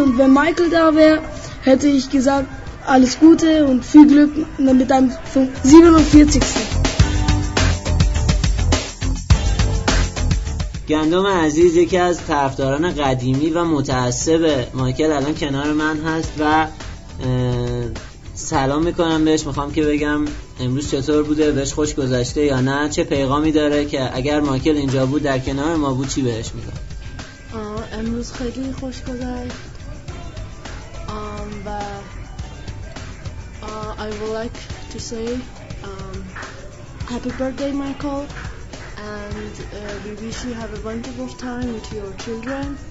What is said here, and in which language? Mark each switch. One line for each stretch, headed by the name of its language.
German: Und wenn Michael da wäre, hätte ich gesagt, alles Gute und viel Glück mit deinem 47.
Persian: گندم عزیز یکی از طرفداران قدیمی و متعصب مایکل الان کنار من هست و سلام میکنم بهش، میخوام که بگم امروز چطور بوده، بهش خوش گذشته یا نه، چه پیغامی داره که اگر مایکل اینجا بود در کنار ما بود چی بهش میگم. امروز خیلی خوش گذشت و
English: I would like to say happy birthday Michael and we wish you have a wonderful time with your children.